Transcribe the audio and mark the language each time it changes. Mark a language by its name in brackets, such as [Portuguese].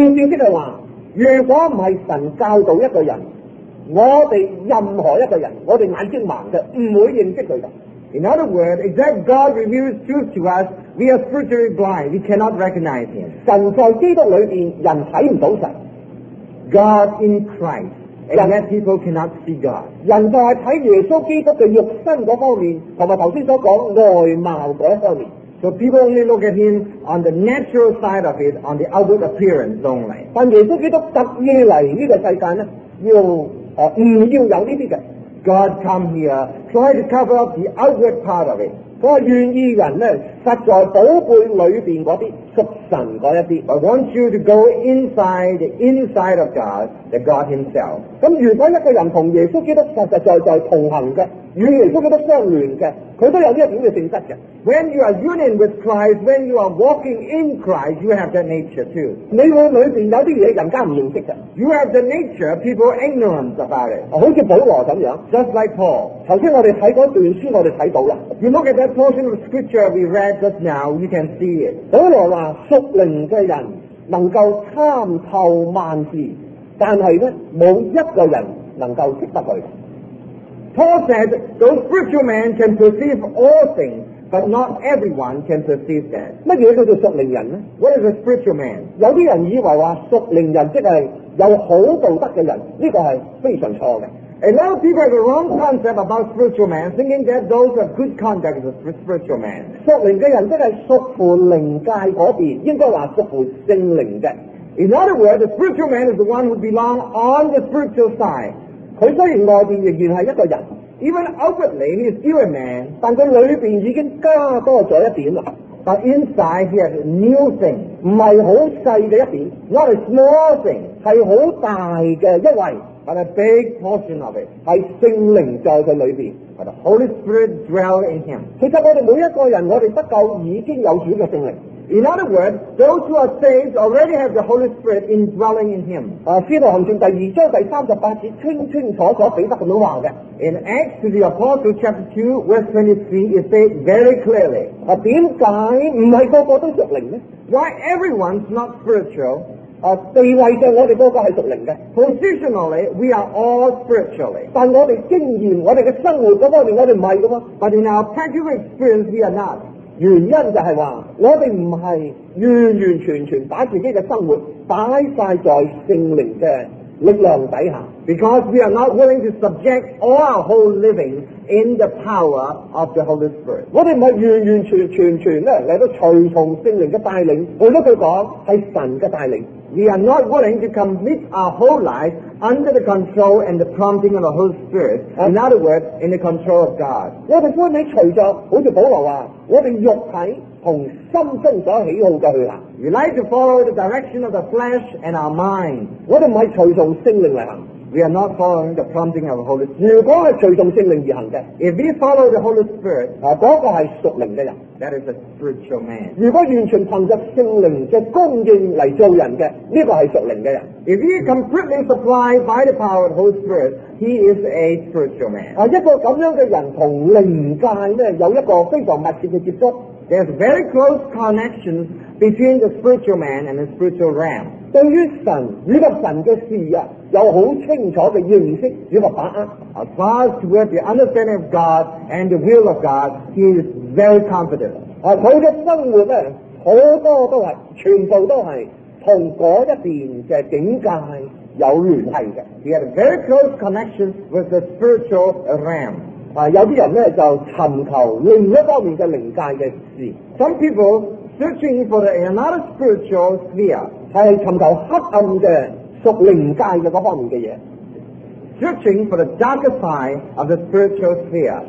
[Chinese] 意思就是说如果不是神教导一个人，我们任何一个人，我们眼睛盲的，不会认识他的。 [English] In other words, except God reveals truth to us, we are spiritually blind, we cannot recognize him. [Chinese] 神在基督里面，人看不到神。 [English] God in Christ, and yet people cannot see God. [Chinese] 人就是看耶稣基督的肉身那方面，和刚才所说外貌那方面。 [English] So people only look at him on the natural side of it, on the outward appearance only. [Chinese] 但耶稣基督特意来这个世界呢，不要有这些的。 [English] God come here, try to cover up the outward part of it. [Chinese] 他说愿意人呢，实在宝贝里面那些，属神那一些。 [English] I want you to go inside, the inside of God, the God himself. [Chinese] 那如果一个人跟耶稣基督实实在在同行的，与耶稣基督相联嘅，佢都有呢一点嘅性质嘅。 [English] When you are union with Christ, when you are walking in Christ, you have that nature too. [Chinese] 你会里边有啲嘢人家唔认识嘅。 [English] You have the nature people ignorant about it. [Chinese] 好似保罗咁样 [English] ，just like Paul. [Chinese] 头先我哋睇嗰段书，我哋睇到啦。 [English] You look at that portion of scripture we read just now, you can see it. [Chinese] 保罗话属灵嘅人能够参透万事，但系咧冇一个人能够识得佢。 [English] Paul said, those spiritual men can perceive all things, but not everyone can perceive that. [Chinese] 什么叫做属灵人呢? [English] What is a spiritual man? [Chinese] 有些人以为说属灵人即是有好道德的人，这个是非常错的。 [English] A lot of people have the wrong concept about spiritual man, thinking that those are good conduct is a spiritual man. [Chinese] 属灵的人即是属乎灵界那边，应该说属乎圣灵的。 [English] In other words, the spiritual man is the one who belongs on the spiritual side. [Chinese] 他虽然外面仍然是一个人 [English] ，even outwardly he is still a man， [Chinese] 但他里面已经加多了一点了。 [English] But inside he has a new thing， [Chinese] 不是很细的一点 [English] ，not a small thing， [Chinese] 是很大的一位 [English] ，but a big portion of it， [Chinese] 是圣灵在他里面 [English] ，but the Holy Spirit dwell in him。 [Chinese] 其实我们每一个人，我们得救已经有主的圣灵。 [English] In other words, those who are saved already have the Holy Spirit indwelling in him. [Chinese] 使徒行传第二章第三十八节清清楚楚彼得咁样话嘅。 [English] In Acts to the Apostles chapter 2 verse 23, it says very clearly. [Chinese] 点解唔系个个都属灵呢 [English] ？Why everyone's not spiritual? [Chinese] 地位上我哋个个系属灵嘅。 [English] Positionally, we are all spiritually. [Chinese] 但我哋经验、我哋嘅生活嗰方面，我哋唔系噶嘛。 [English] But in our practical experience, we are not. [Chinese] 原因就是说我们不是完完全全把自己的生活摆放在圣灵的力量底下 [English] Because we are not willing to subject all our whole living in the power of the Holy Spirit [Chinese] 我们不是完完全全全来到随从圣灵的带领我都他说是神的带领 [English] We are not willing to commit our whole life under the control and the prompting of the Holy Spirit In other words, in the control of God [Chinese] 我们不能随着好像保罗说我们肉体和心中所喜好的去行 [English] We like to follow the direction of the flesh and our mind [Chinese] 我们不是随从圣灵来行 [English] We are not following the prompting of the Holy Spirit [Chinese] 如果是随从圣灵而行的 [English] If we follow the Holy Spirit [Chinese] 那个是属灵的人 [English] That is a spiritual man [Chinese] 如果完全凭着圣灵的供应来做人的这个是属灵的人 [English] If he is completely supplied by the power of the Holy Spirit He is a spiritual man [Chinese] 一个这样的人和灵界有一个非常密切的接触 [English] There's very close connections between the spiritual man and the spiritual realm. [Chinese] 对于神以及神的事啊，有很清楚的认识以及把握。 [English] As far as to where the understanding of God and the will of God, he is very confident. [Chinese] 他的生活呢，很多都是，全部都是跟那一边的境界有联系的。 [English] He had a very close connection with the spiritual realm. [Chinese] 有些人呢就寻求另一方面的灵界的事 [English] Some people searching for another spiritual sphere [Chinese] 是寻求黑暗的属灵界的那方面的东 [English] 西 Searching for the darker side of the spiritual sphere